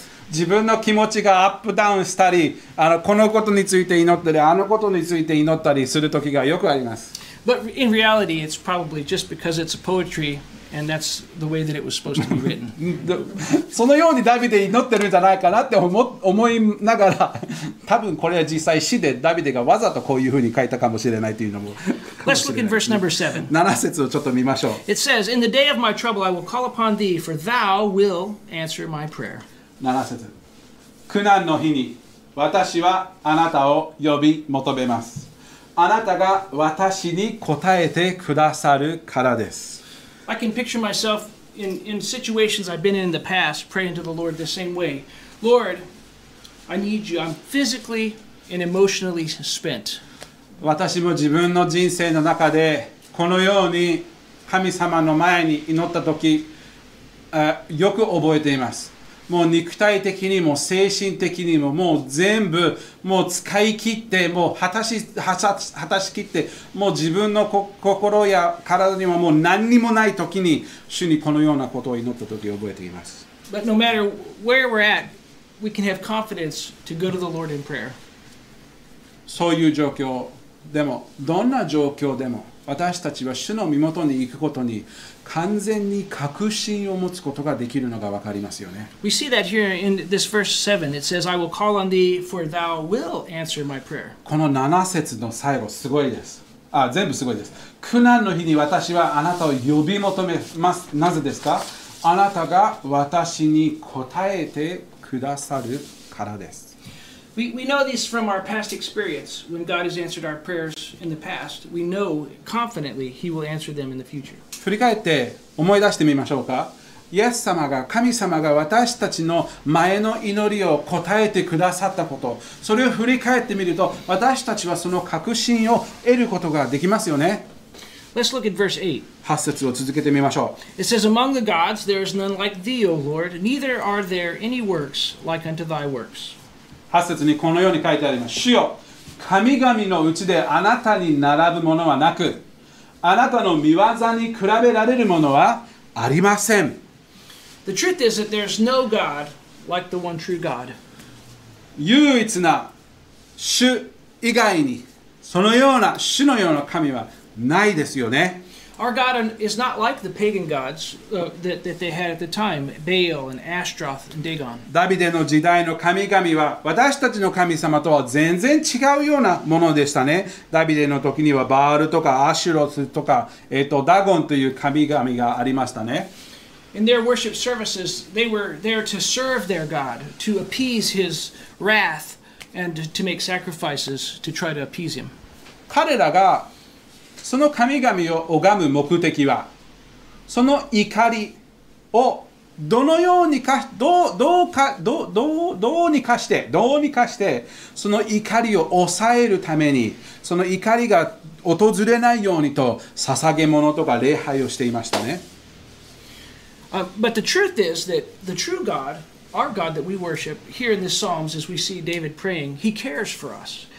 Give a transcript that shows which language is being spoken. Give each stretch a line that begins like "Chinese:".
Japanese: 自分の気持ちがアップダウンしたり、あのこのことについて祈ったり、あのことについて祈ったりするときがよくあります。
English: But in reality, it's probably just because it's a poetry, and that's the way that it was supposed to be written.
Japanese: そのようにダビデ祈ってるんじゃないかなって思いながら、多分これは実際詩でダビデがわざとこういうふうに書いたかもしれないというのも。
English: Let's look in verse number 7.
Japanese: 7節をちょっと見ましょう。
English: It says, In the day of my trouble, I will call upon thee, for thou will answer my prayer.
Japanese: 7節。苦難の日に私はあなたを呼び求めます。あなたが私に答えてくださるからです。
English: I can picture myself in situations I've been in the past praying to the Lord the same way. Lord, I need you. I'm physically and emotionally spent.
Japanese: 私も自分の人生の中でこのように神様の前に祈った時、よく覚えています。もう肉体的にも精神的にももう全部もう使い切って、もう果たし切ってもう自分の心や体にももう何にもない時に主にこのようなことを祈った時を覚えています。
English: But no matter where we're at, we can have confidence to go to the Lord in prayer.
Japanese: そういう状況でも、どんな状況でも私たちは主の身元に行くことに完全に確信を持つことができるのが分かりますよね。
English: We see that here in this verse 7. It says, I will call on thee, for thou will answer my prayer.
Japanese: この7節の最後、すごいです。あ、全部すごいです。苦難の日に私はあなたを呼び求めます。なぜですか？あなたが私に答えてくださるからです。
English: We know this from our past experience. When God has answered our prayers in the past, we know confidently He will answer them in the future.
Japanese: 振り返って思い出してみましょうか。イエス様が、神様が私たちの前の祈りを答えてくださったこと、それを振り返ってみると、私たちはその確信を得ることができますよね。
English: Let's look at verse 8.
Japanese: 8節を続けてみましょう。
English: It says, Among the gods there is none like thee, O Lord, neither are there any works like unto thy works.
Japanese: 8節にこのように書いてあります。主よ、神々のうちであなたに並ぶものはなく、あなたの御業に比べられるものはありません。
English: The truth is that there's no God like the one true God.
Japanese: 唯一な主以外にそのような主のような神はないですよね。
English: Our God is not like the pagan gods that they had at the time, Baal and Ashtaroth and Dagon.
Japanese: ダビデの時代の神々は私たちの神様とは全然違うようなものでしたね。ダビデの時にはバールとかアシュロスとか、ダゴンという神々がありましたね。
English: In their worship services, they were there to serve their God, to appease his wrath and to make sacrifices to try to appease him.
Japanese: 彼らがその神々を拝む目的は、その怒りをどのようにか、どうにかして、その怒りを抑えるために、その怒りが訪れないようにと、捧げ物とか礼拝をしていましたね。
English: But the truth is that the true God, our God that we worship here in the Psalms, as we see David praying, he cares for us.